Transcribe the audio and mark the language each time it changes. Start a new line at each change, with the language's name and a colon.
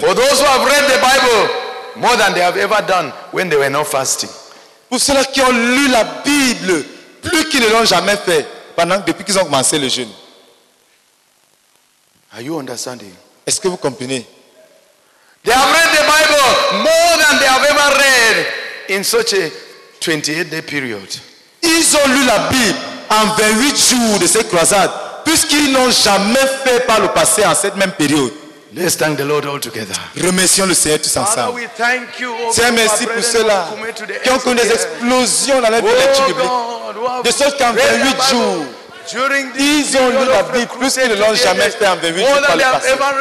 English: For those who have read the Bible more than they have ever done when they were not fasting.
French: Pour ceux qui ont lu la Bible plus qu'ils ne l'ont jamais fait. Depuis qu'ils ont commencé le jeûne.
English: Are you understanding?
French: Est-ce que vous comprenez?
English: They have read the Bible more than they have ever read in such a 28-day period.
French: Ils ont lu la Bible en 28 jours de cette croisade, puisqu'ils n'ont jamais fait par le passé en cette même période.
English: Let's thank the Lord all together.
French: Remercions le Seigneur tous ensemble.
English: Father, we thank you,
French: Seigneur, merci pour cela. Qui ont connu des explosions dans la vie de De sorte qu'en 28 jours, ils ont lu la Bible plus qu'ils ne l'ont jamais fait en 28 jours par le passé.